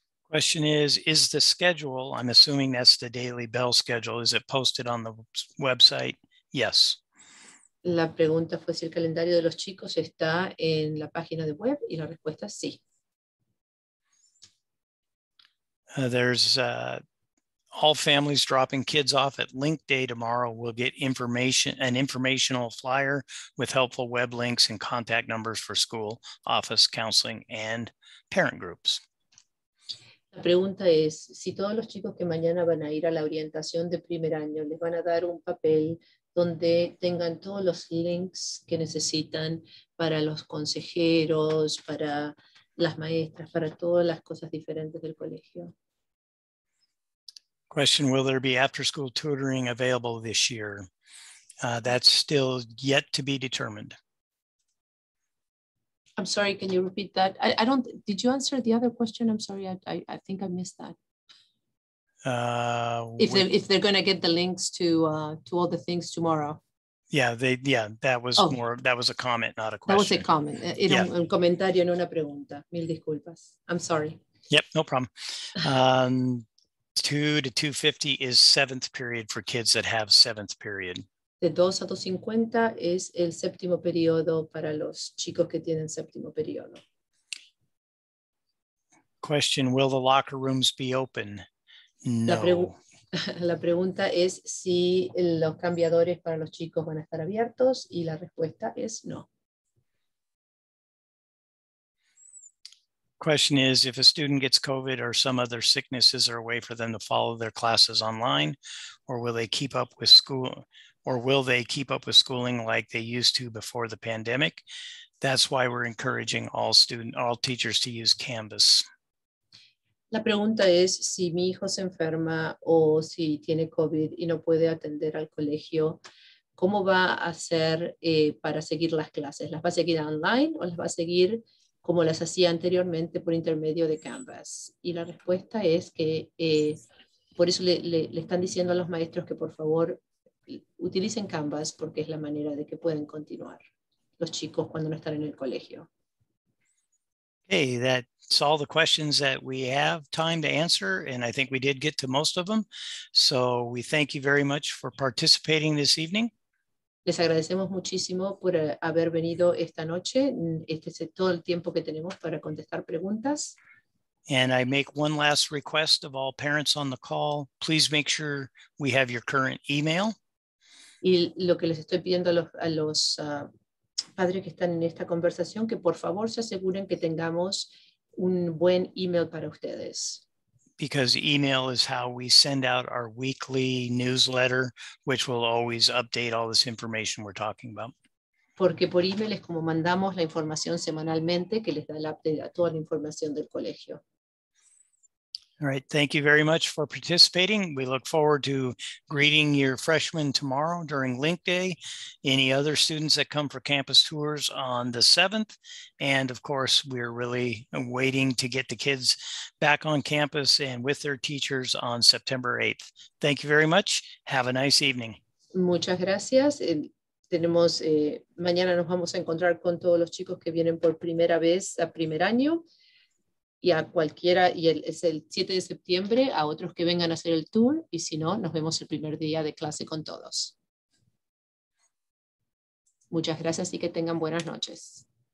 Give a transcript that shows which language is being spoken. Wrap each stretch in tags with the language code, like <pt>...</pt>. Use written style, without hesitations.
<en>Question is the schedule, I'm assuming that's the daily bell schedule, is it posted on the website? Yes.</en> <es>La pregunta fue si el calendario de los chicos está en la página de web y la respuesta es sí.</es> <en>There's all families dropping kids off at link day tomorrow will get an informational flyer with helpful web links and contact numbers for school, office, counseling, and parent groups.</en> <es>La pregunta es si todos los chicos que mañana van a ir a la orientación de primer año les van a dar un papel donde tengan todos los links que necesitan para los consejeros, para las maestras, para todas las cosas diferentes del colegio.</es> <en>Question, will there be after-school tutoring available this year? That's still yet to be determined. I'm sorry, can you repeat that? Did you answer the other question? I'm sorry, I think I missed that. If they're going to get the links to all the things tomorrow. That was a comment, not a question. That was a comment.</en> <es>Un comentario, no una pregunta. Mil disculpas.</es> <en>I'm sorry. Yep, no problem. 2 to 2:50 is seventh period for kids that have seventh period.</en> <es>De 2 a 2:50 es el séptimo periodo para los chicos que tienen séptimo periodo.</es> <en>Question, will the locker rooms be open? No.</en> <es>La pregunta es si los cambiadores para los chicos van a estar abiertos y la respuesta es no.</es> <en>Question is, if a student gets COVID or some other sickness, is there a way for them to follow their classes online, or will they keep up with school, or will they keep up with schooling like they used to before the pandemic? That's why we're encouraging all teachers to use Canvas.</en> <es>La pregunta es si mi hijo se enferma o si tiene COVID y no puede atender al colegio, ¿cómo va a hacer para seguir las clases? ¿Las va a seguir online o las va a seguir como las hacía anteriormente por intermedio de Canvas? Y la respuesta es que por eso le están diciendo a los maestros que por favor utilicen Canvas porque es la manera de que pueden continuar los chicos cuando no están en el colegio.</es> <en>Hey, that. So all the questions that we have time to answer, and I think we did get to most of them. So we thank you very much for participating this evening.</en> <es>Les agradecemos muchísimo por haber venido esta noche. Este es todo el tiempo que tenemos para contestar preguntas.</es> <en>And I make one last request of all parents on the call. Please make sure we have your current email.</en> <es>Y lo que les estoy pidiendo a los padres que están en esta conversación, que por favor se aseguren que tengamos un buen email para ustedes.</es> <en>Because email is how we send out our weekly newsletter, which will always update all this information we're talking about.</en> <es>Porque por email es como mandamos la información semanalmente que les da el update a toda la información del colegio.</es> <en>All right, thank you very much for participating. We look forward to greeting your freshmen tomorrow during Link Day, any other students that come for campus tours on the 7th. And of course, we're really waiting to get the kids back on campus and with their teachers on September 8th. Thank you very much. Have a nice evening.</en> <es>Muchas gracias. Tenemos mañana nos vamos a encontrar con todos los chicos que vienen por primera vez a primer año. Y a cualquiera, y es el 7 de septiembre, a otros que vengan a hacer el tour, y si no, nos vemos el primer día de clase con todos. Muchas gracias y que tengan buenas noches.</es>